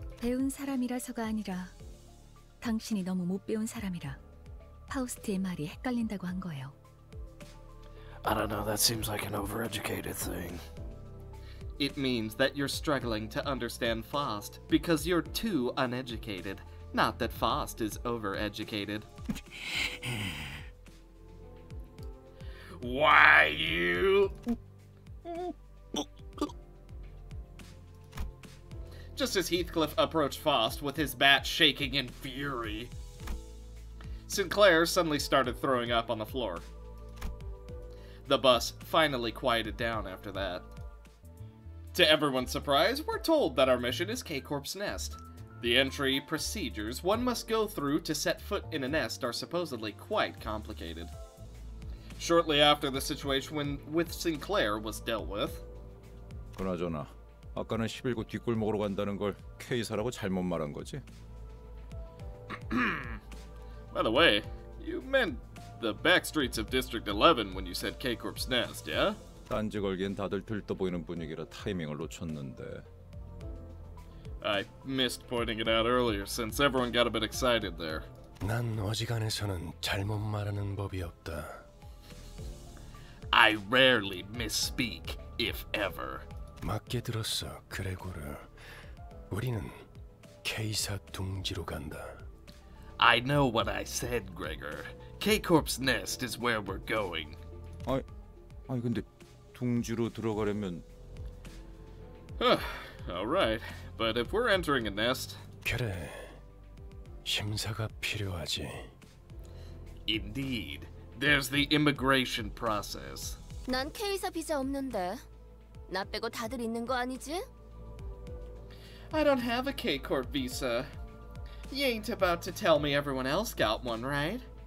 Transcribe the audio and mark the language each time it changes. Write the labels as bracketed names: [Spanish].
[Korean] 배운 사람이라서가 아니라 당신이 너무 못 배운 사람이라 파우스트의 말이 헷갈린다고 한 거예요. [English] I don't know, that seems like an overeducated thing. It means that you're struggling to understand Faust because you're too uneducated. Not that Faust is overeducated. Why you? Just as Heathcliff approached Faust with his bat shaking in fury, Sinclair suddenly started throwing up on the floor. The bus finally quieted down after that. To everyone's surprise, we're told that our mission is K-Corp's nest. The entry procedures one must go through to set foot in a nest are supposedly quite complicated. Shortly after the situation with Sinclair was dealt with. [Korean] 그나저나, 아까는 11구 뒷골목으로 간다는 걸 K사라고 잘못 말한 거지? [English] By the way, you meant the back streets of District 11 when you said K-Corp's nest, yeah? [Korean] 딴지 걸기엔 다들 들떠 보이는 분위기라 타이밍을 놓쳤는데. [English] I missed pointing it out earlier since everyone got a bit excited there. [Korean] 난 어지간해서는 잘못 말하는 법이 없다. [English] I rarely misspeak, if ever. [Korean] 맞게 들었어, 그레고르. 우리는 K사 둥지로 간다. [English] I know what I said, Gregor. K-Corp's nest is where we're going. [Korean] 아니 근데 둥지로 들어가려면... [English] Alright, but if we're entering a nest... [Korean] 그래, 심사가 필요하지. [English] Indeed, there's the immigration process. [Korean] 난 K-사 비자 없는데. 나 빼고 다들 있는 거 아니지? [English] I don't have a K-Corp visa. You ain't about to tell me everyone else got one, right?